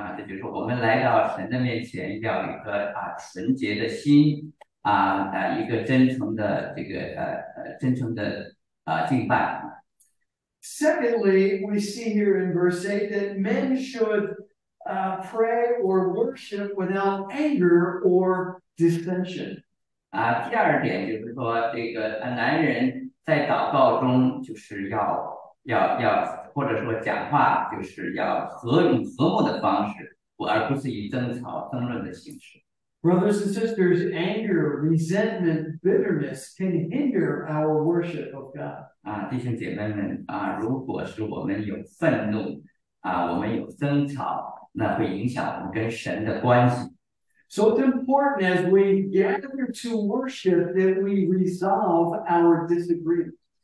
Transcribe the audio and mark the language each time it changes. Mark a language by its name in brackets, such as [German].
[Chinese] 这就是我们来到神的面前，要有一个纯洁的心一个真诚的这个真诚的敬拜。 [English] Secondly, we see here in verse 8 that men should pray or worship without anger or dissension. [Chinese] 第二点就是说，这个男人在祷告中就是要，或者说讲话就是要和睦的方式，而不是以争论的形式。 [English] Brothers and sisters, anger, resentment, bitterness can hinder our worship of God. [Chinese] 弟兄姐妹们如果是我们有愤怒我们有争吵，那会影响我们跟神的关系。 [English] So it's important as we gather to worship that we resolve our disagreement.